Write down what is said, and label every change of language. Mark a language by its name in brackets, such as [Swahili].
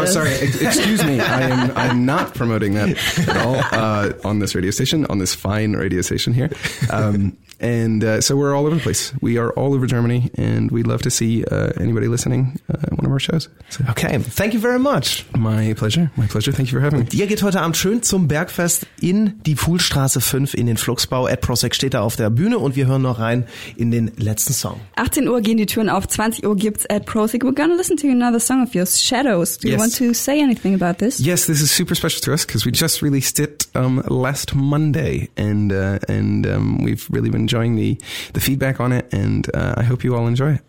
[English] Oh, sorry. Excuse me. I'm not promoting that at all on this radio station, on this fine radio station here. And so we're all over the place. We are all over Germany, and we'd love to see anybody listening at one of our shows. So. Okay, thank you very much. My pleasure, my pleasure. Thank you for having me. [German] Ihr geht heute Abend schön zum Bergfest in die Fuhlstraße 5 in den Fluxbau. Ed Prosek steht da auf der Bühne und wir hören noch rein in den letzten Song. 18 Uhr gehen die Türen auf, 20 Uhr gibt's Ed Prosek. [English] We're gonna listen to another song of yours, Shadows. Do you want to say anything about this? Yes, this is super special to us because we just released it last Monday and we've really been enjoying the feedback on it, and I hope you all enjoy it.